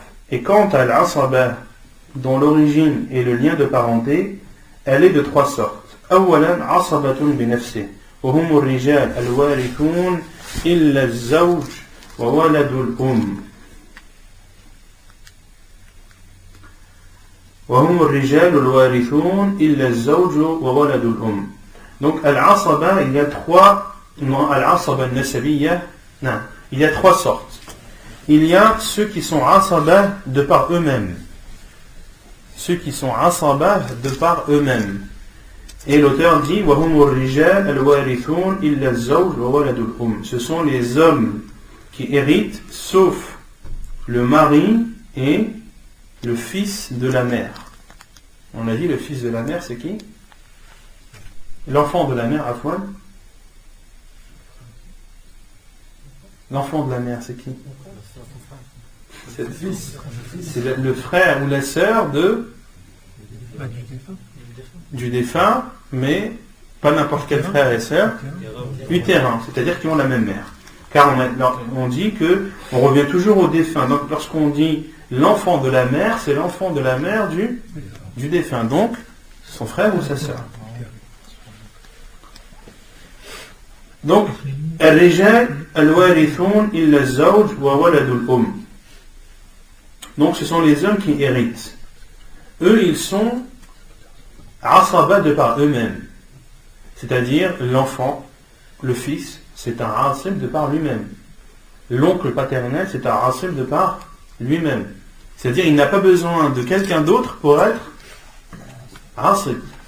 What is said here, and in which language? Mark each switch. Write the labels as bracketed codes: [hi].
[fr] Et quant à l'asaba, dont l'origine est le lien de parenté, elle est de trois sortes. [ar] أولا عصبة بنفسه وهم الرجال الوارثون إلا الزوج وولد الأم وهم الرجال الوارثون إلا الزوج وولد الأم. [fr] Donc العصبة, il y a trois, العصبة النسبية, non, il y a trois sortes. Il y a ceux qui sont عصبة de par eux-mêmes. Ceux qui sont asabah de par eux-mêmes. Et l'auteur dit, [ar] وَهُمُ الرِّجَالُ الْوَارِثُونَ إِلَّا الزَّوْجُ وَوَلَدُ الْأُمِّ. [fr] Ce sont les hommes qui héritent, sauf le mari et le fils de la mère. On a dit, le fils de la mère, c'est qui ? L'enfant de la mère, Afwan ? L'enfant de la mère, c'est qui ? C'est le frère ou la sœur de du défunt, mais pas n'importe quel frère et sœur, utérin, c'est-à-dire qui ont la même mère. Car on dit que on revient toujours au défunt. Donc lorsqu'on dit l'enfant de la mère, c'est l'enfant de la mère du défunt. Donc son frère ou sa sœur. [ar] Donc الرجال الوارثون إلا الزوج وولد الأم. [fr] Donc ce sont les hommes qui héritent. Eux, ils sont asaba de par eux-mêmes. C'est-à-dire l'enfant, le fils, c'est un asim de par lui-même. L'oncle paternel, c'est un asim de par lui-même. C'est-à-dire il n'a pas besoin de quelqu'un d'autre pour être asim.